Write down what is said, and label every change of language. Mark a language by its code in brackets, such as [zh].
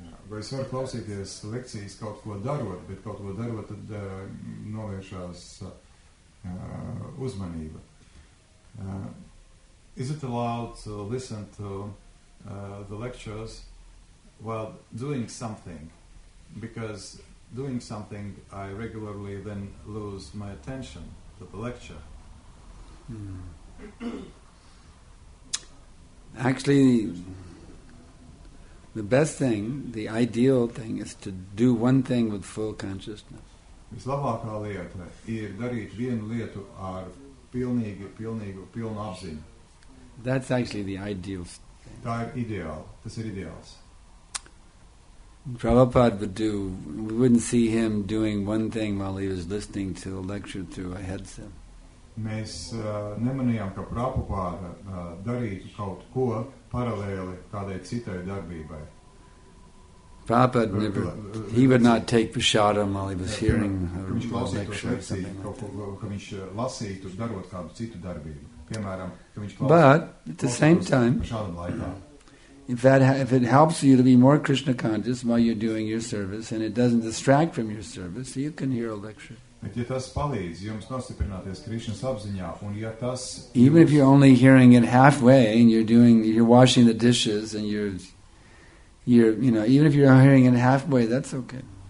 [lv] Vai es varu klausīties lekcijas kaut ko darot, bet kaut ko darot, tad novēršās uzmanība. [en] Is it allowed to listen to the lectures while doing something? Because doing something, I regularly then lose my attention to the lecture. Actually, the best thing, the ideal thing, is to do one thing with full consciousness. [lv] Vislabākā lieta ir darīt vienu lietu ar pilnu apziņu. [en] That's actually the ideal thing. [lv] Tā ir ideāli. Tas ir ideāls. [en] Prabhupāda would do, we wouldn't see him doing one thing while he was listening to a lecture through a headset. [lv] Mēs nemanījām, ka Prabhupāda darītu kaut ko paralēli kādai citai darbībai. [en] Prabhupāda never, he would not take prasādam while he was hearing a lecture. [lv] Ka viņš lasītu darot kādu citu darbību. Piemēram, ka viņš [en] If it helps you to be more Krishna conscious while you're doing your service and it doesn't distract from your service, you can hear a lecture. [lv] Bet ja tas palīdz jums nostiprināties Krišnas apziņā, un ja tas... [en] Even if you're only hearing it halfway and you're washing the dishes and even if you're hearing it halfway, that's okay.